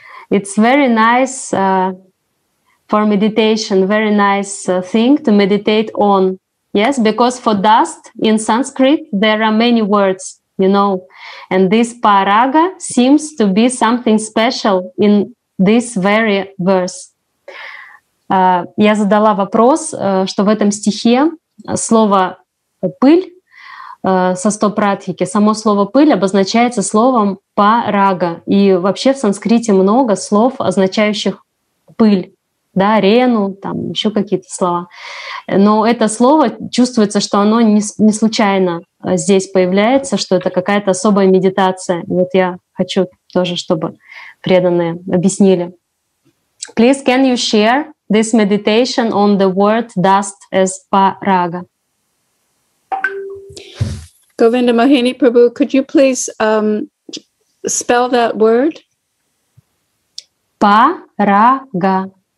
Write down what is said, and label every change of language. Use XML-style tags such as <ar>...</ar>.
<en>It's very nice for meditation, very nice thing to meditate on. Yes, because for dust in Sanskrit, there are many words, you know, and this Paraga seems to be something special in this very verse.</en> <ru>Я задала вопрос, что в этом стихе слово «пыль» со стопратхики, само слово «пыль» обозначается словом «парага». И вообще в санскрите много слов, означающих «пыль», да, «рену», там еще какие-то слова. Но это слово, чувствуется, что оно не случайно здесь появляется, что это какая-то особая медитация. И вот я хочу тоже, чтобы преданные объяснили.</ru> <en>Please, can you share this meditation on the word dust as paraga? Govinda Mohini Prabhu, could you please spell that word? Paraga.</en>